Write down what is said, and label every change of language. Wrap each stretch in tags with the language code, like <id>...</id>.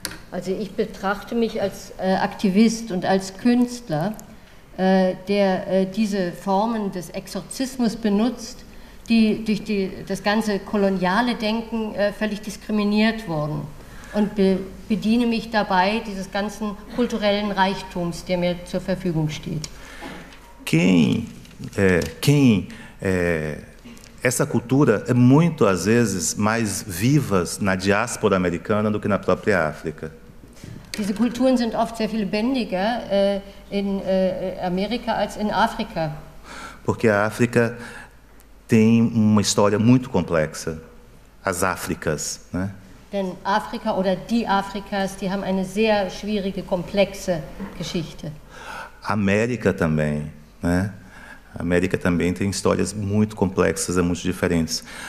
<de>Also, ich betrachte mich als Aktivist und als Künstler, der diese Formen des Exorzismus benutzt, die durch das ganze koloniale Denken völlig diskriminiert wurden. Und bediene mich dabei dieses ganzen kulturellen Reichtums, der mir zur Verfügung steht.</de> <pt>Quem essa cultura é muito às vezes mais vivas na diáspora americana do que na própria África.</pt> <de>Diese Kulturen sind oft sehr viel lebendiger in Amerika als in Afrika.</de> <pt>Porque a África tem uma história muito complexa, as Áfricas, né?</pt> <de>Denn Afrika oder die Afrikas, die haben eine sehr schwierige, komplexe Geschichte.</de> <pt>Amerika também, né? América também tem histórias muito complexas, é muito diferentes.</pt>